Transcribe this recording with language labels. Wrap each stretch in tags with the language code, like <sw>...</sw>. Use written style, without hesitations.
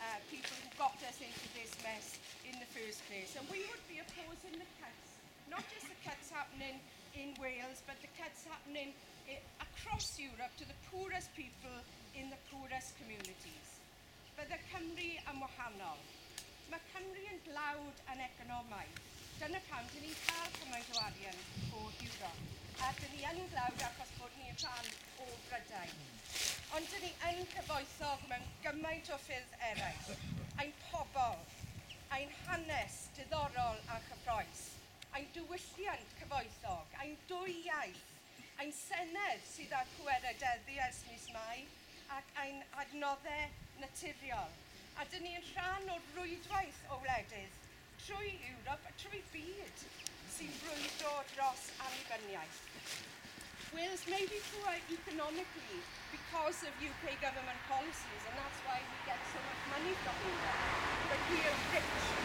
<en>People who got us into this mess in the first place. And we would be opposing the cuts, not just the cuts happening in Wales, but the cuts happening across Europe to the poorest people in the poorest communities. But the</en> <cy>Cymru yn wahanol. Mae Cymru yn dlawd yn economaidd. Dyna pam, dyn ni'n cael cymaint o arian o Europe. A dyn ni yn dlawd achos bod ni'n rhan o Brydain. Ond dyn ni yn cyfoethog mewn gymaint o ffydd eraill. Ein pobol, ein hanes diddorol a chyffroes. Ein diwylliant cyfoethog, ein dwy iaith. Ein senedd sydd â pwerau deddi ers mis Mai. Ac ein adnoddau naturiol. A dyn ni'n rhan o'r rwydwaith o wledydd trwy Europe, trwy byd, sy'n brwydro dros annibyniaeth.</cy> <en>Wales may be poor economically because of UK government policies, and that's why we get so much money from Europe. But we are rich.</en>